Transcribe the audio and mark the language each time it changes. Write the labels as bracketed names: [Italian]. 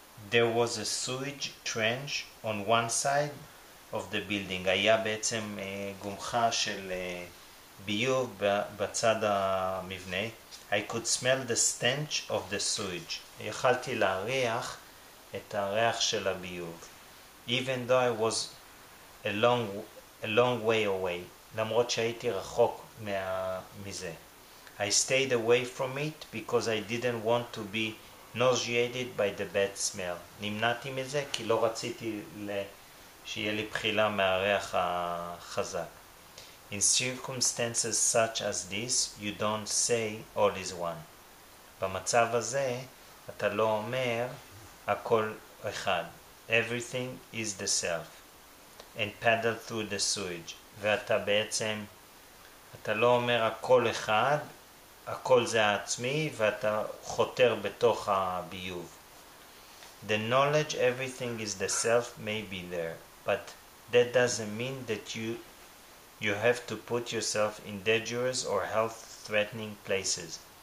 [English] There was a sewage trench on one side of the building. [Hebrew] Haya be'etzem gumcha shel biyuv b'tzad ha'mivneh. [English] I could smell the stench of the sewage. [Hebrew] יכלתי להריח את הריח של הביוב. [English] Even though I was a long way away, [Hebrew] למרות שהייתי רחוק מזה. [English] I stayed away from it because I didn't want to be nauseated by the bad smell. [Hebrew] נמנעתי מזה כי לא רציתי שיהיה לי בחילה מהריח החזק. [English] In circumstances such as this, you don't say all is one. [Hebrew] במצב הזה, אתה לא אומר הכל אחד. [English] Everything is the self. And paddle through the sewage. [Hebrew] ואתה בעצם, אתה לא אומר הכל אחד, הכל זה העצמי, ואתה חותר בתוך הביוב. [English] The knowledge everything is the self may be there, but that doesn't mean that you have to put yourself in dangerous or health threatening places.